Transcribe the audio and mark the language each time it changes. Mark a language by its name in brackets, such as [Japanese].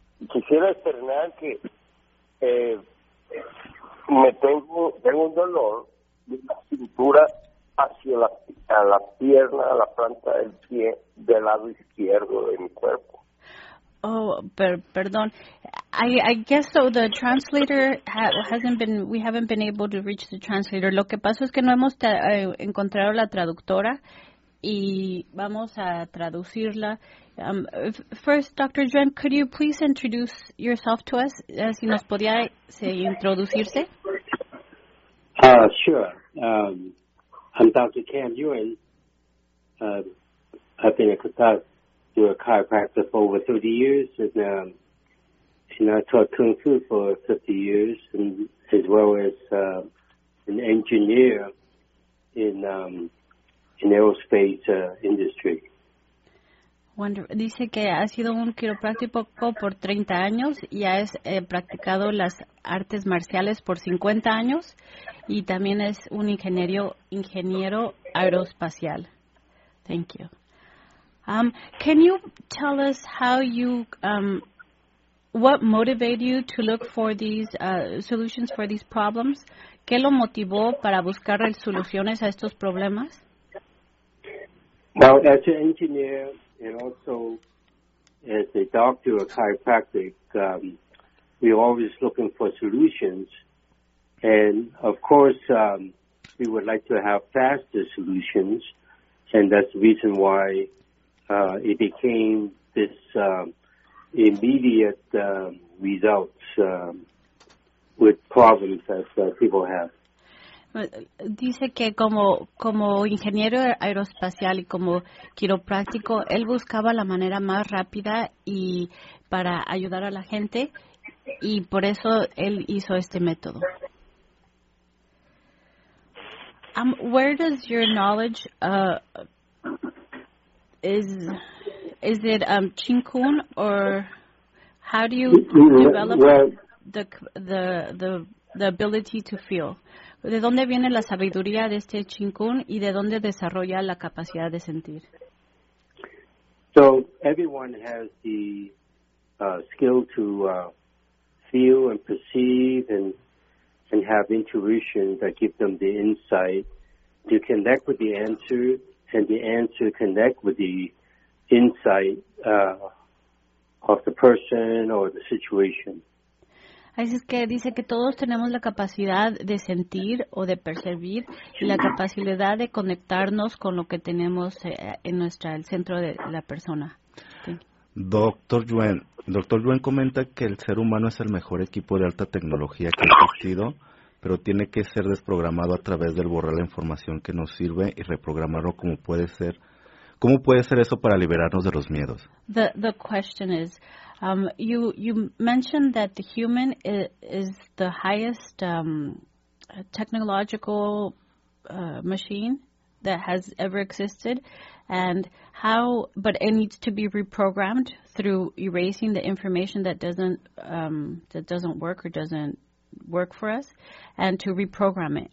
[Spanish] Quisiera externar que tengo un dolor de la cintura hacia la pierna, a la planta del pie del lado izquierdo de mi cuerpo. Oh, perdón. [English] I guess so. The translator we haven't been able to reach the translator. [Spanish] Lo que pasa es que no hemos encontrado la traductora y vamos a traducirla. [English] First, Dr. Yuen, could you please introduce yourself to us? [Spanish] Si nos podía introducirse. [English] Sure. I'm Dr. Kam Yuen. I've been a chiropractor for over 30 years and I taught Kung Fu for 50 years, and as well as an engineer in in aerospace industry. [Spanish] Dice que ha sido un quiropráctico por 30 años y ha practicado las artes marciales por 50 años y también es un ingeniero aeroespacial. [English] Thank you. Can you tell us how you what motivated you to look for these solutions for these problems? [Spanish] ¿Qué lo motivó para buscar soluciones a estos problemas? [English] Now, as an engineer and also as a doctor of chiropractic, we're always looking for solutions. And, of course, we would like to have faster solutions, and that's the reason why it became this immediate results with problems that people have. [Spanish] Dice que como ingeniero aeroespacial y como quiropráctico, él buscaba la manera más rápida y para ayudar a la gente, y por eso él hizo este método. [English] Where does your knowledge is it Qigong or how do you develop the ability to feel? [Spanish] ¿De dónde viene la sabiduría de este Qigong y de dónde desarrolla la capacidad de sentir? [English] So everyone has the skill to feel and perceive and have intuition that give them the insight to connect with the answer, and the answer connect with the insight of the person or the situation. [Spanish] Así es que dice que todos tenemos la capacidad de sentir o de percibir y la capacidad de conectarnos con lo que tenemos en nuestra el centro de la persona. Doctor Yuen comenta que el ser humano es el mejor equipo de alta tecnología que ha existido, pero tiene que ser desprogramado a través del borrar la información que nos sirve y reprogramarlo como puede ser. ¿Cómo puede ser eso para liberarnos de los miedos? [English] The question is, you mentioned that the human is the highest technological machine that has ever existed, but it needs to be reprogrammed through erasing the information that doesn't work for us, and to reprogram it.